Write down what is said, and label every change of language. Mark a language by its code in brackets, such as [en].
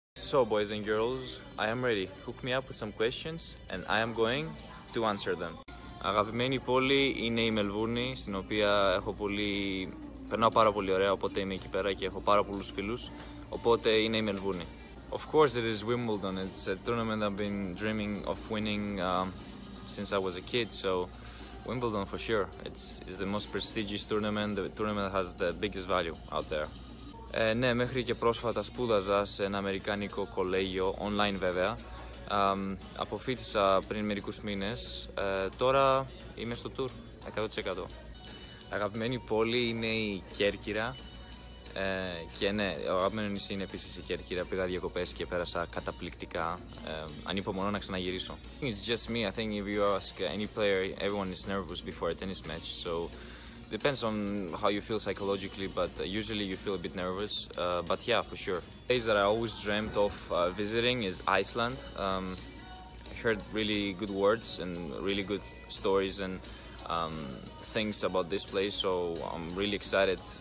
[en] So, boys and girls, I am ready. Hook me up with some questions and I am going to answer them. [el] Αγαπημένη πόλη είναι η Μελβούρνη, στην οποία έχω πολύ... περνάω πάρα πολύ ωραία, οπότε είμαι εκεί πέρα και έχω πάρα πολλούς φίλους, οπότε είναι η Μελβούρνη. [en] Of course it is Wimbledon. It's a tournament I've been dreaming of winning since I was a kid, so Wimbledon for sure. It's the most prestigious tournament, the tournament that has the biggest value out there. [el] Ναι, μέχρι και πρόσφατα σπούδαζα σε ένα αμερικάνικο κολέγιο, online βέβαια. Αποφύτησα πριν μερικούς μήνες. Τώρα είμαι στο tour, 100%. Αγαπημένη πόλη είναι η Κέρκυρα. Και ναι, ο αγαπημένο νησί είναι επίσης η Κέρκυρα. Πήγα διακοπές και πέρασα καταπληκτικά. Ανυπομονώ να ξαναγυρίσω. [en] It's just me. I think if you ask any player, everyone is nervous before a tennis match. So depends on how you feel psychologically, but usually you feel a bit nervous. But yeah, for sure. Place that I always dreamt of visiting is Iceland. I heard really good words and really good stories and things about this place, so I'm really excited.